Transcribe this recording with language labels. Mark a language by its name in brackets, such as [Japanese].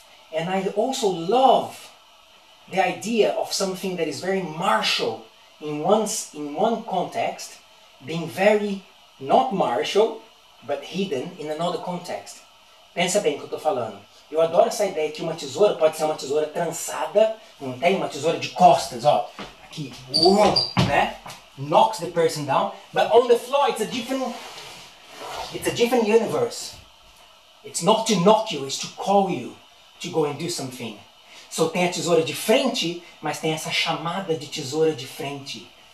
[English] And I also love the idea of something that is very martial in one context, being very not martial, but hidden in another context. [Portuguese] Pensa bem o que eu estou falando. Eu adoro essa ideia que uma tesoura pode ser uma tesoura trançada, não tem uma tesoura de costas, ó, aqui, uou, né? [English] Knocks the person down, but on the floor it's a different universe. It's not to knock you, it's to call you to go and do something. [Portuguese] So tem a tesoura de frente, mas tem essa chamada de tesoura de frente.